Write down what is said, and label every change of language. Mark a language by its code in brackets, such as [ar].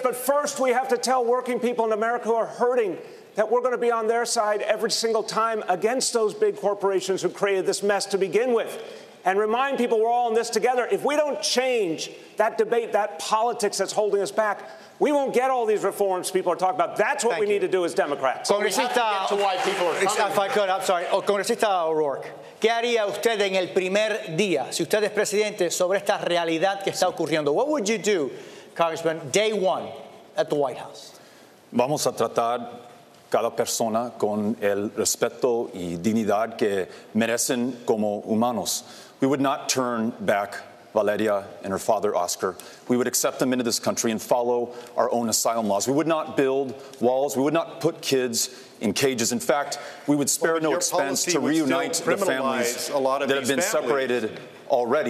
[en] But first, we have to tell working people in America who are hurting that we're going to be on their side every single time against those big corporations who created this mess to begin with. And remind people we're all in this together. If we don't change that debate, that politics that's holding us back, we won't get all these reforms people are talking about. That's what Thank you. Need to do as Democrats. So Congresista, we have to get to why people are coming. If I could, I'm sorry. [es] Oh, Congresista O'Rourke, ¿qué haría usted en el primer día, si usted es presidente, sobre esta realidad que está ocurriendo? [en] What would you do, Congressman, day one at the White House? [es] Vamos a tratar cada persona con el respeto y dignidad que merecen como humanos. [en] We would not turn back Valeria and her father, Oscar. We would accept them into this country and follow our own asylum laws. We would not build walls. We would not put kids in cages. In fact, we would spare no expense to reunite the families a lot of that have been families. Separated already.